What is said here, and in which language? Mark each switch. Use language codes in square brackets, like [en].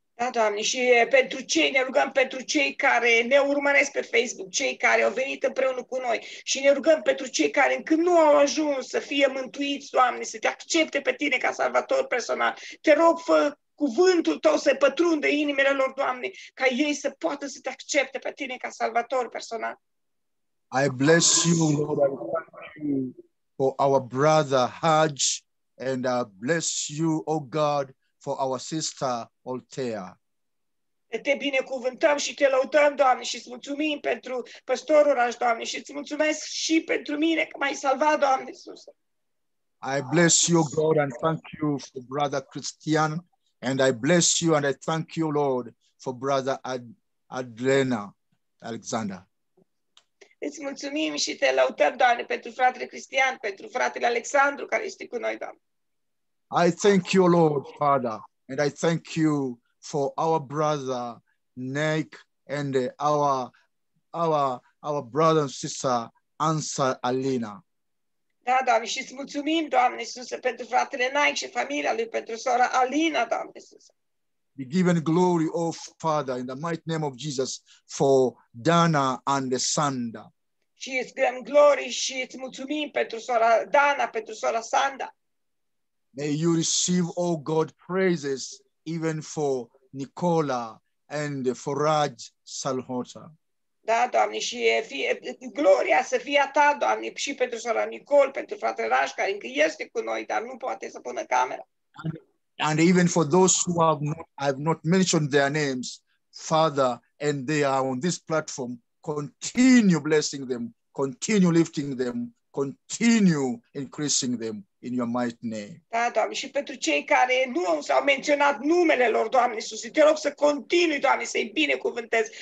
[ro] Da, Doamne, și pentru cei, ne rugăm pentru cei care ne urmăresc pe Facebook, cei care au venit împreună cu noi și ne rugăm pentru cei care încă nu au ajuns să fie mântuiți, Doamne, să Te accepte pe Tine ca salvator personal. Te rog, fă cuvântul tău să pătrundă inimile lor, Doamne, ca ei să poată să te accepte pe tine ca salvator personal. [en] I bless you, Lord, I thank you for our brother Hajj, and I bless you, O God, for our sister Altea. [ro] Te binecuvântăm și te lăudăm, Doamne, și îți mulțumim pentru pastorul Raj, Doamne, și îți mulțumesc și pentru mine că m-ai salvat, Doamne Iisus. [en] I bless you, God, and thank you for brother Christian, and I bless you and I thank you, Lord, for brother Adrena Alexander. [ro] Îți mulțumim și te lăudăm, Doamne, pentru fratele Cristian, pentru fratele Alexandru care este cu noi, Doamne. [en] I thank you, Lord, Father, and I thank you for our brother Nick and our brother and sister Ansa Alina. [ro] Da, Doamne, și îți mulțumim, Doamne Iisuse, pentru fratele Nike și familia lui, pentru sora Alina, Doamne Iisuse. [en] Be given glory, O Father, in the mighty name of Jesus, for Dana and Sanda. [ro] Și îți dăm glory și îți mulțumim pentru sora Dana, pentru sora Sanda. [en] May you receive, O God, praises even for Nicola and for Raj Salhota. [ro] Da, Doamne, și gloria să fie a Ta, Doamne, și pentru sora Nicole, pentru fratele Raj, care încă este cu noi, dar nu poate să pună camera. [en] And even for those who have not mentioned their names, Father, and they are on this platform, continue blessing them, continue lifting them, continue increasing them in your mighty name. [ro] Da, Doamne, și pentru cei care nu s-au menționat numele lor, Doamne Iisuse, te rog să continui, Doamne, să-i binecuvântezi.